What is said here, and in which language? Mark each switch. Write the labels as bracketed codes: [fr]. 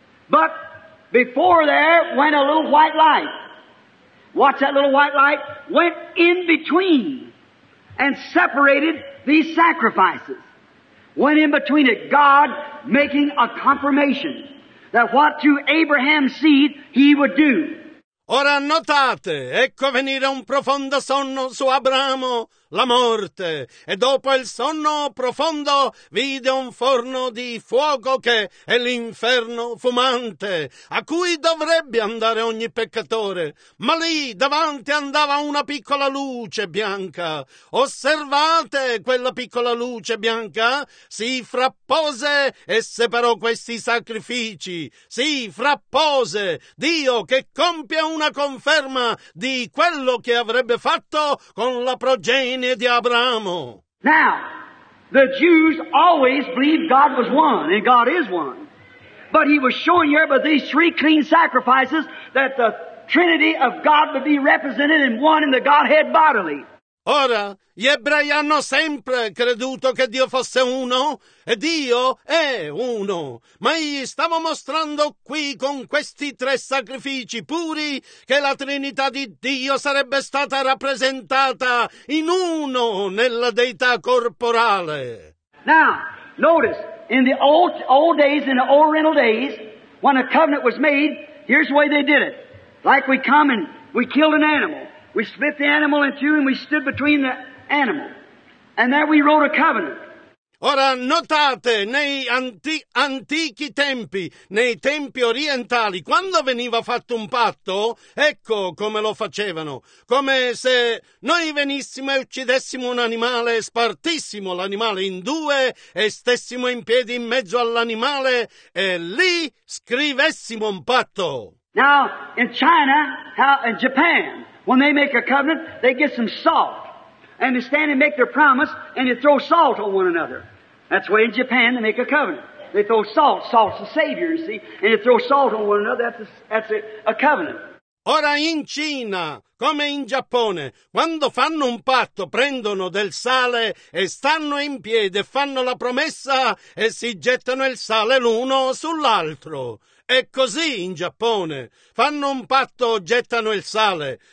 [en] But before there went a little white light. Watch that little white light. Went in between and separated these sacrifices. Went in between it, God making a confirmation that what to Abraham's seed he would do. [it] Ora notate, ecco venire un profondo sonno su Abramo, la morte, e dopo il sonno profondo vide un forno di fuoco che è l'inferno fumante, a cui dovrebbe andare ogni peccatore, ma lì davanti andava una piccola luce bianca. Osservate quella piccola luce bianca, si frappose e separò questi sacrifici, si frappose, Dio che compie una conferma di quello che avrebbe fatto con la progenie di Abramo. [en] Now, the Jews always believed God was one, and God is one. But he was showing here by these three clean sacrifices that the Trinity of God would be represented in one in the Godhead bodily. [it] Ora, gli ebrei hanno sempre creduto che Dio fosse uno, e Dio è uno. Ma gli stavo mostrando qui con questi tre sacrifici puri che la Trinità di Dio sarebbe stata rappresentata in uno nella Deità corporale. [en] Now, notice, in the old days, in the Oriental days, when a covenant was made, here's the way they did it. Like we come and we killed an animal. We split the animal in two and we stood between the animal. And there we wrote a covenant. [it] Ora notate, nei antichi tempi, nei tempi orientali, quando veniva fatto un patto, ecco come lo facevano. Come se noi venissimo e uccidessimo un animale, spartissimo l'animale in due e stessimo in piedi in mezzo all'animale e lì scrivessimo un patto. [en] Now, in China, in Japan, when they make a covenant, they get some salt. And they stand and make their promise, and they throw salt on one another. That's the way in Japan they make a covenant. They throw salt. Salt's the Savior, you see. And they throw salt on one another. That's a covenant. [it] Ora in Cina, come in Giappone, quando fanno un patto, prendono del sale e stanno in piedi, fanno la promessa e si gettano il sale l'uno sull'altro. È così in Giappone. Fanno un patto, gettano il sale.